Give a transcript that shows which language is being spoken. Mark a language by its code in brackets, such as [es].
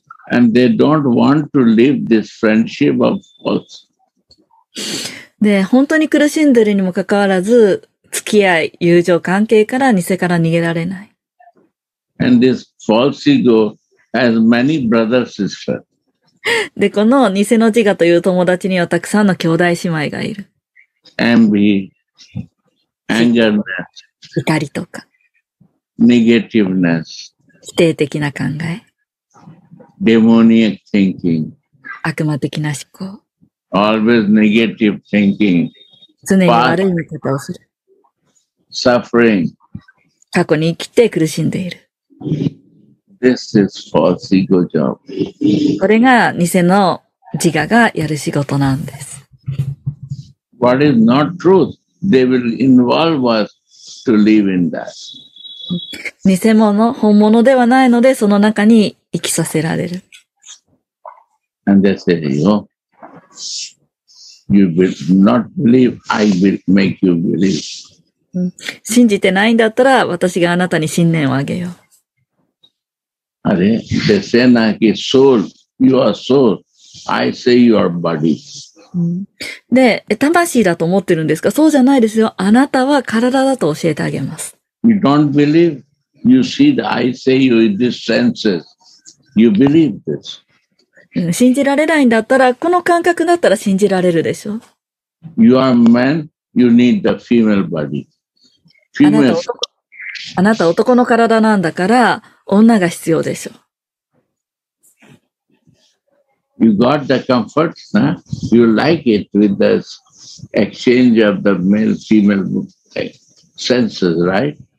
[en] And they don't want to leave this friendship of faults. [ja] で、本当に苦しんでるにもかかわらず、付き合い、友情関係から偽から逃げられない。 [en] And this false ego has many brothers, sisters. [ja] で、この偽の自我という友達にはたくさんの兄弟姉妹がいる。 [en] Envy, anger, [ja] 怒りとか。 [en] Negativeness. [ja] 否定的な考え。 [en] Demoniac thinking. [ja] 悪魔的な思考。 [en] Always negative thinking. [ja] 常に悪い見方をする。 [en] Suffering. [ja] 過去に生きて苦しんでいる。 [en] This is false ego job. [ja] これが偽の自我がやる仕事なんです。 [en] What is not truth, they will involve us to live in that. [ja] 偽物、本物ではないので、その中に生きさせられる。 [en] And they say, yo, you will not believe, I will make you believe. [ja] 信じてないんだったら、私があなたに信念をあげよう。 [en] あれ、they say, Naki, soul, you are soul, I say you are body. [ja] で、魂だと思ってるんですか？そうじゃないですよ。あなたは体だと教えてあげます。 [en] You don't believe, you see that I say you in this senses, you believe this. [ja] 信じられないんだったら、この感覚だったら信じられるでしょ。 [en] You are man, you need the female body. [ja] あなた男の体なんだから、女が必要でしょ。 [en] You got the comfort, huh? You like it with the exchange of the male, female senses, right?